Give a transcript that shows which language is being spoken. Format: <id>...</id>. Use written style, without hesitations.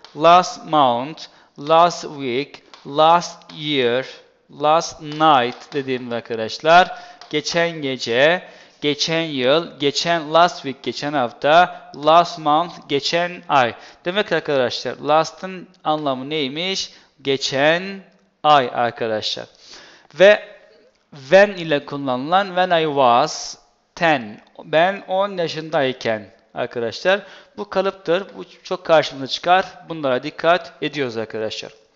<en>Last month, last week, last year, last night</en> <tr>dediğimde arkadaşlar. Geçen gece, geçen yıl, geçen last week, geçen hafta, last month, geçen ay. Demek arkadaşlar last'ın anlamı neymiş? Geçen ay arkadaşlar.</tr> <en>Ve when</en> <tr>ile kullanılan</tr> <en>when I was 10.</en> <tr>Ben 10 yaşındayken. Arkadaşlar bu kalıptır. Bu çok karşımıza çıkar. Bunlara dikkat ediyoruz arkadaşlar.</tr>